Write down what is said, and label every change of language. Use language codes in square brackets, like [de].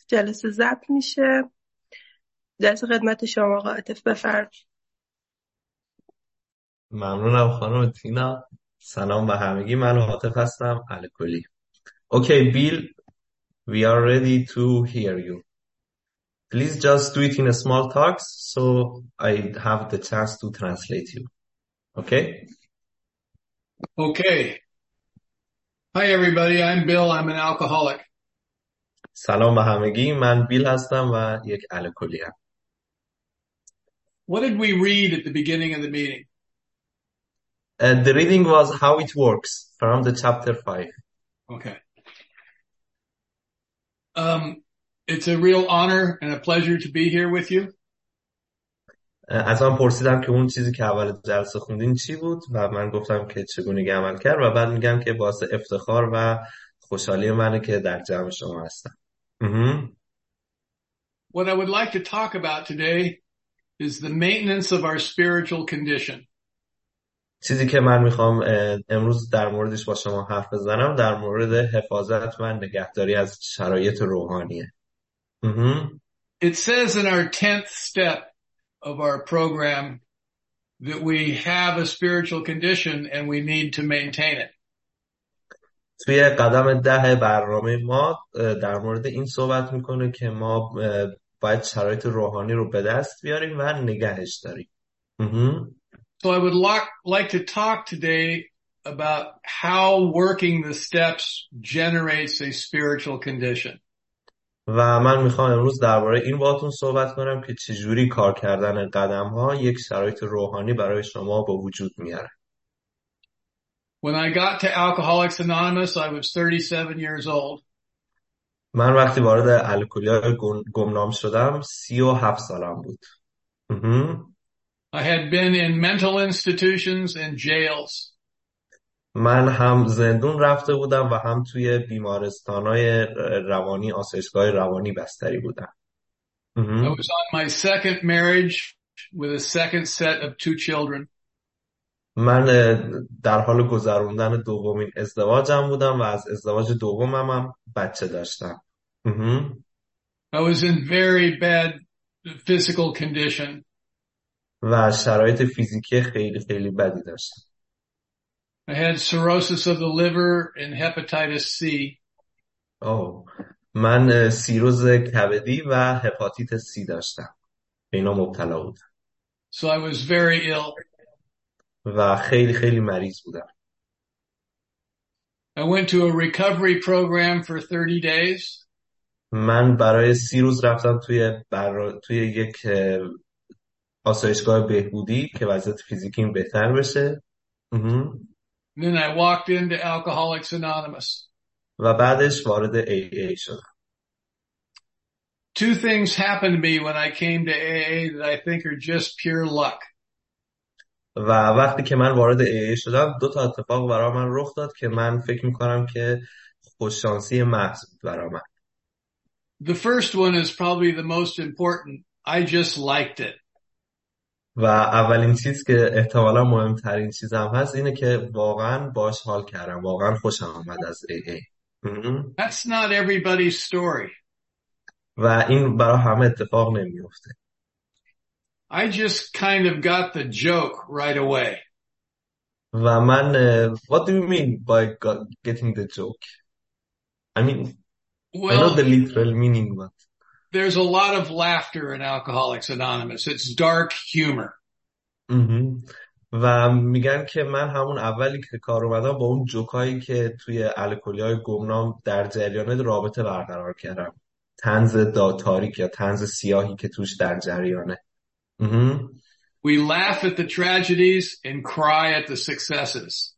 [fa] جلسه ضبط میشه. دست خدمت شما آقای حاتف، بفرمایید. ممنونم خانم تینا، سلام به همگی. من حاتف هستم الکلی. [en] Okay Bill, we are ready to hear you. Please just do it in a small talks so I have the chance to translate you. Okay? Okay. Hi everybody, I'm Bill. I'm an alcoholic. [fa] سلام به همگی، من بیل هستم و یک الکلی هم. [en] What did we read at the beginning of the meeting? The reading was how it works from the chapter 5. Okay. It's a real honor and a pleasure to be here with you. [fa] از من پرسیدم که اون چیزی که اول جلسه خوندین چی بود و من گفتم که چگونگی عمل کرد و بعد میگم که باعث افتخار و خوشحالی منه که در جمع شما هستم. [en] What I would like to talk about today is the maintenance of our spiritual condition. [fa] چیزی که من میخوام امروز در موردش با شما حرف بزنم در مورد حفاظت و نگهداری از شرایط روحانیه. [en] It says in our 10th step of our program that we have a spiritual condition and we need to maintain it. [fa] توی قدم 10 برنامه ما در مورد این صحبت میکنه که ما باید شرایط روحانی رو به دست بیاریم و نگهش داریم. [en] So I would like to talk today about how working the steps generates a spiritual condition. [fa] و من میخوام امروز درباره این باهاتون صحبت کنم که چجوری کار کردن قدم‌ها یک شرایط روحانی برای شما به وجود میاره. [en] When I got to Alcoholics Anonymous, I was 37 years old. [fa] من وقتی وارد الکلی‌های گمنام شدم 37 سالم بود. [en] I had been in mental institutions and jails. [fa] من هم زندون رفته بودم و هم توی بیمارستان‌های روانی، آسایشگاه روانی بستری بودم. [en] I was on my second marriage with a second set of two children. [fa] من در حال گذروندن دومین ازدواجم بودم و از ازدواج دومم هم بچه داشتم. [en] I was in very bad physical condition. [fa] و شرایط فیزیکی خیلی خیلی بدی داشتم. [en] I had cirrhosis of the liver and hepatitis C. [fa] من سیروز کبدی و هپاتیت سی داشتم. اینا مبتلا بودم. [en] So I was very ill. [fa] و خیلی خیلی مریض بودم. [en] I went to a recovery program for 30 days. [fa] من برای 30 روز رفتم توی یک آسایشگاه بهبودی که وضعیت فیزیکیم بهتر بشه. [en] Then I walked into Alcoholics Anonymous. [fa] و بعدش وارد AA شدم. [en] Two things happened to me when I came to AA that I think are just pure luck. [fa] و وقتی که من وارد AA شدم دو تا اتفاق برای من رخ داد که من فکر میکنم که خوششانسی محض برای من. [en] The first one is probably the most important. I just liked it. [fa] و اولین چیز که احتمالا مهمترین چیزم هست اینه که واقعا باش حال کردم. واقعا خوشم آمد از AA. [en] That's not everybody's story. [fa] و این برای همه اتفاق نمیفته. [en] I just kind of got the joke right away. [fa] و من [en] what do you mean by getting the joke? I mean, well, I know the literal meaning, but there's a lot of laughter in Alcoholics Anonymous. It's dark humor. [fa] و میگن که من همون اولی که کار اومدم با اون جوکایی که توی الکلی‌های گمنام در جریان رابطه برقرار کردم. طنز تاریک یا طنز سیاهی که توش در جریانه. [en] We laugh at the tragedies and cry at the successes.